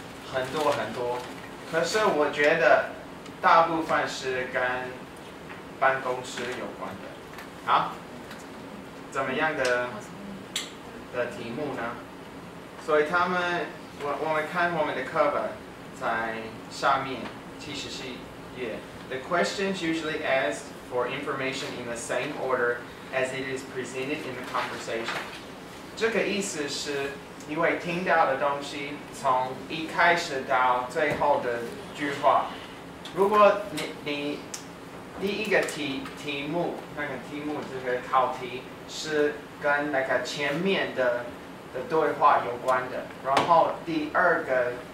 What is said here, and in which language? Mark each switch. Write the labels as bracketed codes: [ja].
[zh] 很多很多，可是我觉得大部分是跟办公室有关的。好，怎么样的题目呢？所以他们，我们看我们的课本，在下面77页。 [en] The questions usually asked for information in the same order as it is presented in the conversation。 [zh] 这个意思是。你会听到的东西从一开始到最后的句话，如果 你第一个题目那个题目这个考题是跟那个前面 的对话有关的，然后第二个